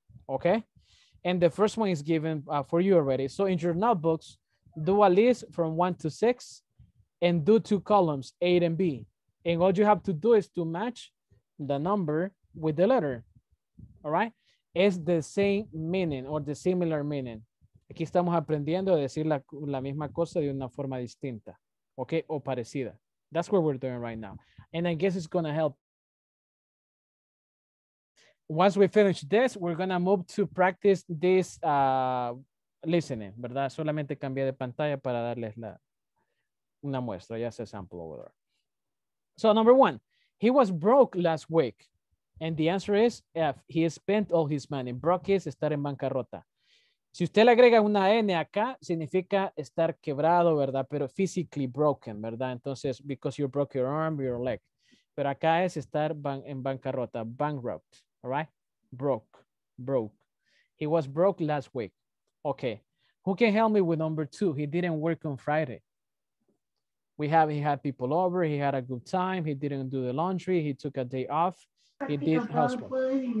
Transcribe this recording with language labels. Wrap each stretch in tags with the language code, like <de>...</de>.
<en>Okay, and the first one is given for you already. So in your notebooks, do a list from 1 to 6 and do 2 columns, A and B. And all you have to do is to match the number with the letter, all right? It's the same meaning or the similar meaning.</en> <es>Aquí estamos aprendiendo a decir la misma cosa de una forma distinta, okay, o parecida.</es> <en>That's what we're doing right now. And I guess it's gonna help. Once we finish this, we're going to move to practice this listening, ¿verdad?</en> <es>Solamente cambié de pantalla para darles una muestra, ya sea</es> <en>sample over there. So number one, he was broke last week. And the answer is F, he spent all his money.</en> <es>Broke is estar en bancarrota. Si usted le agrega una N acá, significa estar quebrado, ¿verdad? Pero</es> <en>physically broken,</en> <es>¿verdad? Entonces,</es> <en>because you broke your arm, your leg.</en> <es>Pero acá es estar en bancarrota, bankrupt.</es> <en>All right, broke. He was broke last week. Okay, who can help me with number two? He didn't work on Friday. He had people over, he had a good time, he didn't do the laundry, he took a day off, he did housework.</en>